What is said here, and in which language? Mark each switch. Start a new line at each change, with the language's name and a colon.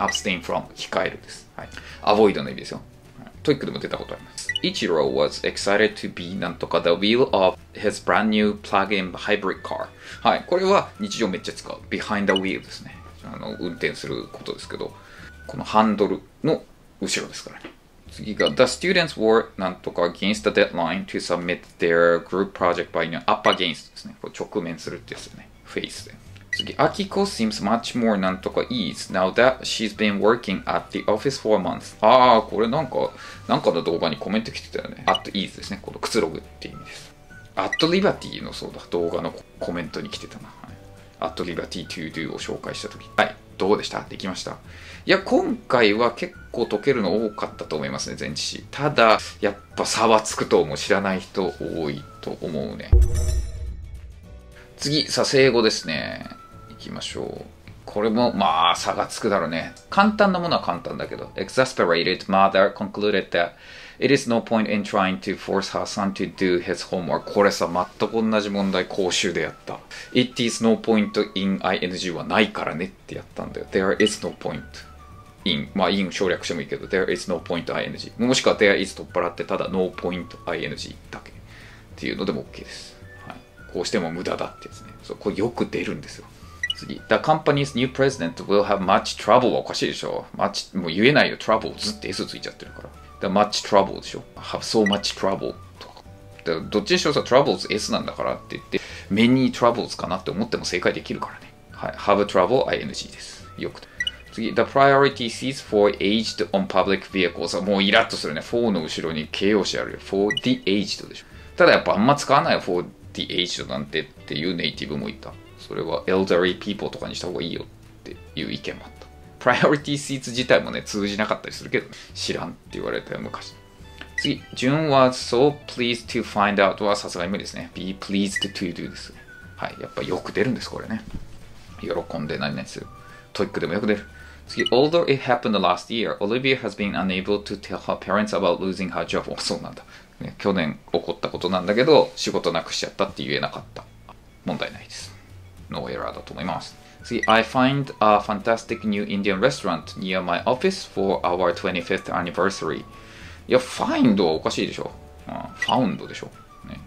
Japanese: abstain from 控えるです。はい。avoid の意味ですよ。トイックでも出たことあります。
English: Ichiro was excited to be
Japanese: なんとか
English: the wheel of his brand new plug-in hybrid car.
Japanese: はい、これは日常めっちゃ使う。 behind the wheel ですね。あの、運転することですけど、このハンドルの後ろですからね。
English: 次が、The students were
Japanese: なんとか
English: against the deadline to submit their group project by now.
Japanese: up against ですね。これ直面するってやつよね。 face で。
English: 次、Akiko seems much more
Japanese: なんとか
English: ease now that she's been working at the office for months.
Japanese: ああ、これなんかの動画にコメント来てたよね。 at ease ですね。このくつろぐっていう意味です。 at liberty のそうだ。動画のコメントに来てたな。はい、at liberty to do を紹介したとき。はい。どうでした？できました？いや、今回は結構解けるの多かったと思いますね、前置詞。ただ、やっぱ差はつくと思う。知らない人多いと思うね。次、さ、正語ですね。行きましょう。これも、まあ、差がつくだろうね。簡単なものは簡単だけど。
English: Exasperated mother concluded that it is no point in trying to force her son to do his homework.
Japanese: これさ、全く同じ問題講習でやった。
English: It is no point in ing
Japanese: はないからねってやったんだよ。
English: There is no point in. まあ、in 省略してもいいけど、There is no point ing.
Japanese: もしくは、
English: There is
Japanese: 取っ払って、ただ
English: no point ing
Japanese: だけ。っていうのでも OK です。こうしても無駄だってですね。そう、これよく出るんですよ。
English: 次、The company's new president will have much trouble.
Japanese: おかしいでしょ。much もう言えないよ。trouble ずっと S ついちゃってるから。 The much trouble でしょ。have so much trouble とか。でどっちにしろさ、troubles S なんだからって言って、many troubles かなって思っても正解できるからね。はい、
English: have trouble ing
Japanese: です。よく。次、
English: The priority sees for aged on public vehicles.
Japanese: もうイラッとするね。 for の後ろに形容詞あるよ。for the aged でしょ。ただやっぱあんま使わないよ。 for the aged なんてっていうネイティブもいた。それは elderly people とかにした方がいいよっていう意見もあった。 priority seats 自体もね通じなかったりするけど、知らんって言われたよ昔。次、順は So pleased to find out はさすがに無理ですね。
English: Be pleased to do
Japanese: です。はい、やっぱよく出るんです、これね。喜んで何々する。トイックでもよく出る。
English: 次、Although it happened last year, Olivia has been unable to tell her parents about losing her job.
Japanese: そうなんだ、ね。去年起こったことなんだけど、仕事なくしちゃったって言えなかった。問題ないです。
English: No error だと思います。See, I find a fantastic new Indian restaurant near my office for our 25th anniversary.
Japanese: いや、find はおかしいでしょ。ああ、found でしょ、ね。